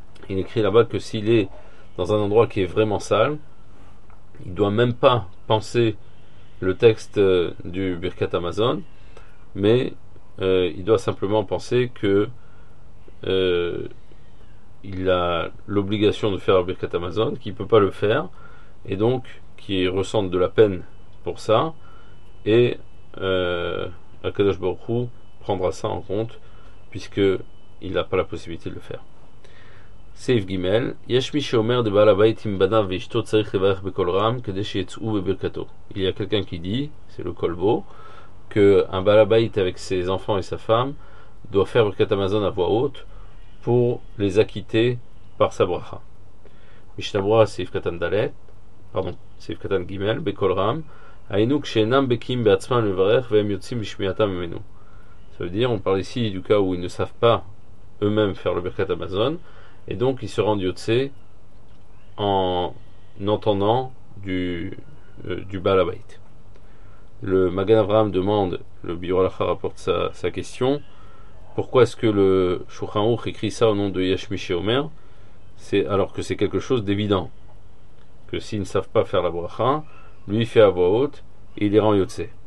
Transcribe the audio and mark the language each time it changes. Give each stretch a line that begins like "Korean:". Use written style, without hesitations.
French: Il écrit là-bas que s'il est dans un endroit qui est vraiment sale, il ne doit même pas penser le texte du Birkat Amazon, mais il doit simplement penser que il a l'obligation de faire le Birkat Amazon, qu'il ne peut pas le faire, et donc qu'il ressente de la peine pour ça, et Akadosh Baruch Hu prendra ça en compte, puisqu'il n'a pas la possibilité de le faire.
Hebrew: סעיף ג', יש מי שאומר דבעל הבית עם בניו ואשתו צריך לברך בקול רם כדי שיצאו בברכתו.
French: Il y a quelqu'un qui dit, c'est le Kolbo, que un bal habayit avec ses enfants et sa femme doit faire ברכת המזון à voix haute pour les acquitter
Hebrew: פרסה ברכה. משנה ברורה, סעיף קטן דלת, פרדון, סעיף קטן ג' בקול רם, היינו כשאינם בקים בעצמם לברך והם יוצאים בשמיעתם ממנו.
French: Ça veut dire, on parle ici du cas où ils ne savent pas eux-mêmes faire le Birkat Amazon, et donc ils se rendent yotze en entendant du balabait. Le Magan Avraham demande, le Biur Alakha rapporte sa question, pourquoi est-ce que le Shulchan Aruch écrit ça au nom de Yashmiché Omer, alors que c'est quelque chose d'évident, que s'ils ne savent pas faire la bracha, lui fait à voix haute, et il les rend yotze.